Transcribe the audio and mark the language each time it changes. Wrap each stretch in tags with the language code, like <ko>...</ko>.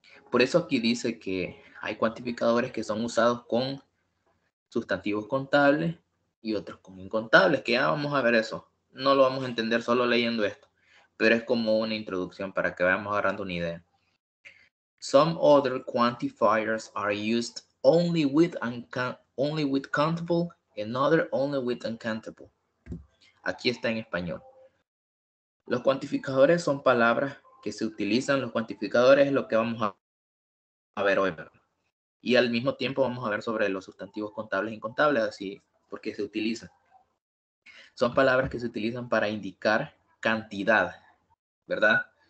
<es>Por eso aquí dice que hay cuantificadores que son usados con sustantivos contables y otros con incontables, que ya vamos a ver eso. No lo vamos a entender solo leyendo esto, pero es como una introducción para que vayamos agarrando una idea.</es> <en>Some other quantifiers are used only with countable, another only with uncountable.</en> <es>Aquí está en español. Los cuantificadores son palabras que se utilizan, los cuantificadores es lo que vamos a ver hoy. Y al mismo tiempo vamos a ver sobre los sustantivos contables e incontables, así, porque se utilizan. Son palabras que se utilizan para indicar cantidad, ¿verdad?</es>